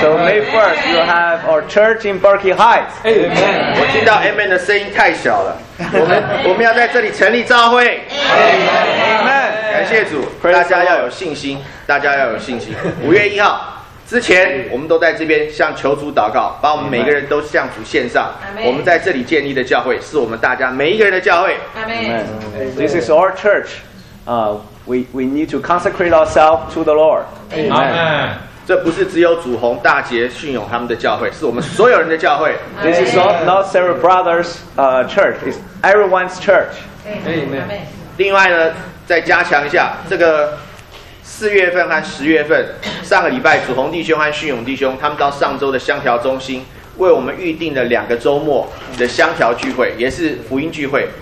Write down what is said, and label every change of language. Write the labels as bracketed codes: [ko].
[en] So May 1st, you have our church in Berkeley Heights. [zh] Amen. 我听到 Amen 的声音太小了。我们要在这里成立教会。 [en] Amen. [zh] 感谢主，大家要有信心，大家要有信心。五月一号之前，我们都在这边向求主祷告，把我们每个人都向主献上。我们在这里建立的教会，是我们大家每一个人的教会。 [en] Amen. This is our church. We need to consecrate ourselves to the Lord. Amen. [zh] 这不是只有主红、大杰、迅勇他们的教会，是我们所有人的教会。 [en] This is not several brothers' church. It's everyone's church. Amen. [zh] 另外呢，再加强一下这个。四月份和十月份，上个礼拜，祖宏弟兄和迅勇弟兄他们到上周的香调中心，为我们预定了两个周末的香调聚会，也是福音聚会。